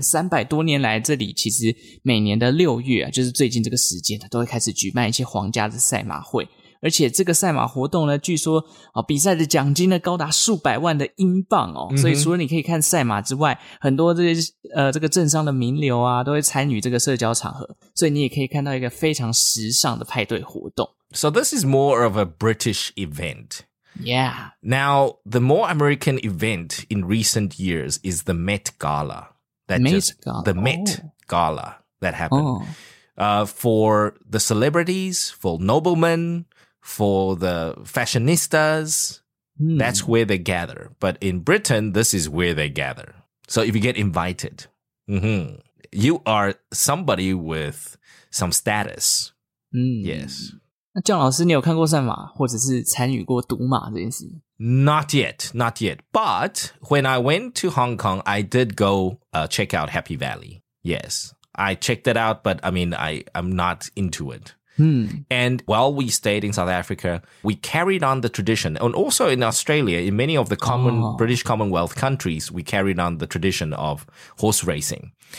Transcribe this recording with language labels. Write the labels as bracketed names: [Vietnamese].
[Chinese] 300多年来，这里其实每年的六月啊，就是最近这个时间，都会开始举办一些皇家的赛马会。而且这个赛马活动呢，据说比赛的奖金呢高达数百万的英镑哦，所以除了你可以看赛马之外，很多这些这个镇上的名流啊，都会参与这个社交场合，所以你也可以看到一个非常时尚的派对活动。 [English] So this is more of a British event. Yeah. Now the more American event in recent years is the Met Gala. The Met Gala that happened for the celebrities, for noblemen. For the fashionistas, that's where they gather. But in Britain, this is where they gather. So if you get invited, you are somebody with some status. Yes. [Chinese] 那姜老师，你有看过赛马，或者是参与过赌马这件事？ [English] Not yet. But when I went to Hong Kong, I did go check out Happy Valley. Yes. I checked it out, but I mean, I'm not into it. And while we stayed in South Africa, we carried on the tradition. And also in Australia, in many of the common British Commonwealth countries, we carried on the tradition of horse racing.